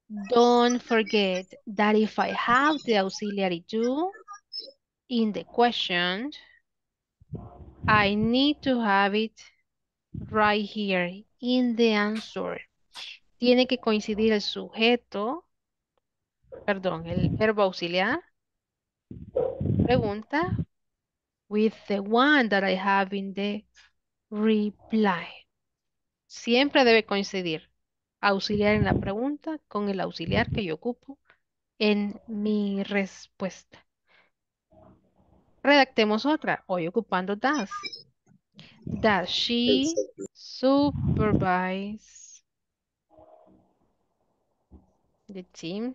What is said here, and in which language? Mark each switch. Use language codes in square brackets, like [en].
[en] Don't forget that if I have the auxiliary do in the question, I need to have it right here in the answer. [es] Tiene que coincidir el sujeto, perdón, el verbo auxiliar. Pregunta. [en] With the one that I have in the reply. [es] Siempre debe coincidir auxiliar en la pregunta con el auxiliar que yo ocupo en mi respuesta. Redactemos otra, hoy ocupando does. [en] Does she supervise the team?